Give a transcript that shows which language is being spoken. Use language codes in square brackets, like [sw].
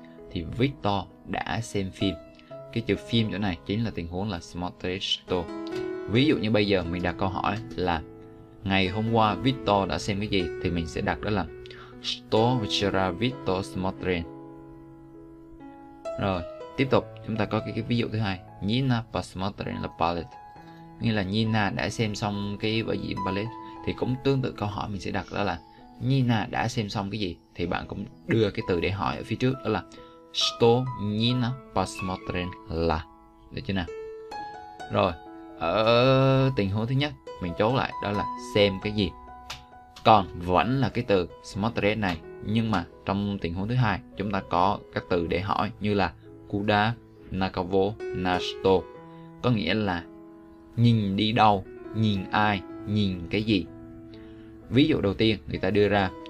[vi] Thì Victor đã xem phim. Cái chữ phim chỗ này chính là tình huống là smotresto. Ví dụ như bây giờ mình đặt câu hỏi là ngày hôm qua Victor đã xem cái gì, thì mình sẽ đặt đó là [ru] Что вчера Victor смотрел. [vi] Rồi, tiếp tục chúng ta có cái ví dụ thứ hai. [ru] Nina посмотрела балет. [vi] Nghĩa là Nina đã xem xong cái vở diễn ballet. Thì cũng tương tự câu hỏi mình sẽ đặt đó là Nina đã xem xong cái gì, thì bạn cũng đưa cái từ để hỏi ở phía trước đó là [ru] Что Nina посмотрела. [vi] Được chưa nào? Rồi, ở tình huống thứ nhất mình chốt lại đó là xem cái gì, còn vẫn là cái từ smotret này, nhưng mà trong tình huống thứ hai chúng ta có các từ để hỏi như là [ru] kuda nakavo nasto, [vi] có nghĩa là nhìn đi đâu, nhìn ai, nhìn cái gì. Ví dụ đầu tiên người ta đưa ra